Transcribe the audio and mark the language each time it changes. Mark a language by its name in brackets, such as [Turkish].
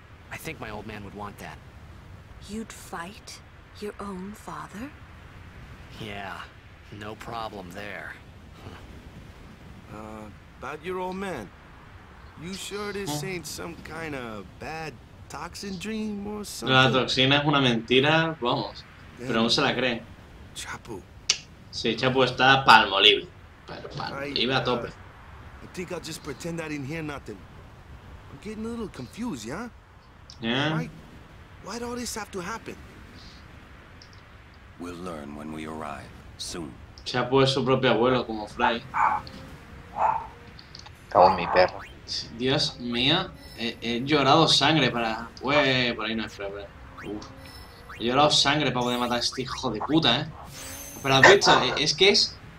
[English] I think my old man would want that. You'd fight your own father? Yeah, no problem there. About your old man. You sure this ain't some kind of bad toxin dream or something? [Spanish] La toxina es una mentira, vamos. Pero no se la cree. Chapu. Sí, Chapu está palmolive. Pero palmolive a tope. [English] I think I'll just pretend I didn't hear nothing. I'm getting a little confused, yeah? Yeah. Why'd all this have to happen? We'll learn when we arrive, soon. [Spanish] Chapu es su propio abuelo, como Fry. Cago en mi perro. Dios mío, he llorado sangre para... Uy, por ahí no es Fry, pero... He llorado sangre para poder matar a este hijo de puta, ¿eh? Pero has visto, es que es...